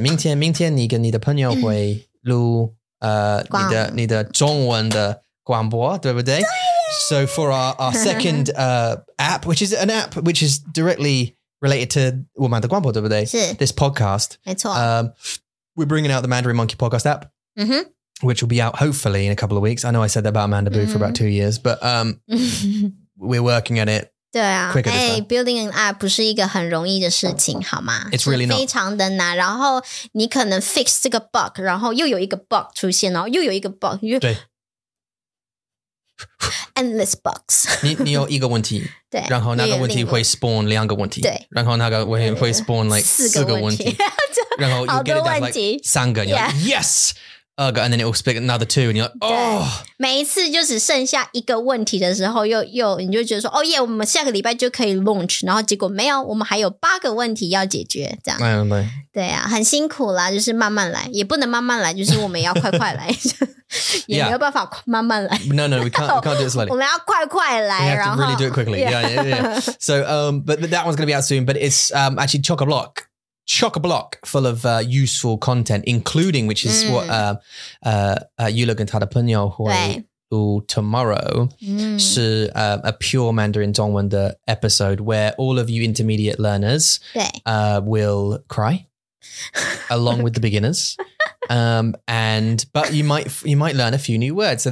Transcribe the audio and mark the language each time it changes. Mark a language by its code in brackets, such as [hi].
[zh] 明天你跟你的朋友会录你的中文的广播，对不对？ [en] So for our second app, which is an app, which is directly... related to [zh] 我们的广播对不对是 [en] this podcast [zh] 没错、 [en] we're bringing out the Mandarin Monkey podcast app、 mm-hmm. which will be out hopefully in a couple of weeks I know I said that about Amanda Boo、mm-hmm. for about 2 years but we're working on it [zh] 对啊 [en] quicker this time building an app [zh] 不是一个很容易的事情好吗 [en] it's really not [zh] 非常的难然后你可能 fix 这个 bug 然后又有一个 bug 出现然后又有一个 bug 对 [en] endless bugs [zh] 你有一个问题对然后那个问题会 spawn 两个问题对然后那个会 spawn like 四个问题 [en] 然后 you get it down like 三个 you're like yes 二个 and then it will spawn another two and you're like oh [zh] 每一次就只剩下一个问题的时候又你就觉得说 [en] oh yeah [zh] 我们下个礼拜就可以 launch 然后结果没有我们还有八个问题要解决这样 对啊很辛苦啦就是慢慢来也不能慢慢来就是我们要快来 [en] Yeah. [zh] 也没有办法慢慢来 [en] No, we can't do it slowly [zh] 我们要快来 [en] We have to really do it quickly Yeah. So, but that one's going to be out soon But it's actually chock-a-block full of useful content Including, which is what Yula and Tata Punyo who tomorrow is a pure Mandarin Zhongwen episode Where all of you intermediate learners will cry Along with the beginners but you might learn a few new words.